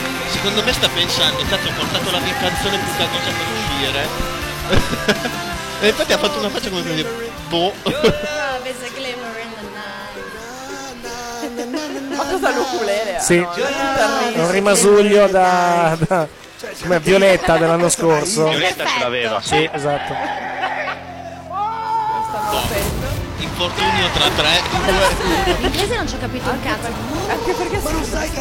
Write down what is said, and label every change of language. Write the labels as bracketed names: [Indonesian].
[Italian] Secondo me sta pensando, cazzo, ho portato la mia canzone più cagosa per uscire. E infatti ha fatto una faccia come per dire, boh. [English] Oh, there's a glimmer in the night. [Italian] Ma cosa l'ukulele? Sì, no? Un rimasuglio da come Violetta dell'anno scorso. Violetta ce l'aveva. Sì, esatto. Infortunio tra 3, 2, 1. L'inglese non ci ho capito un cazzo. Anche perché ma non sai che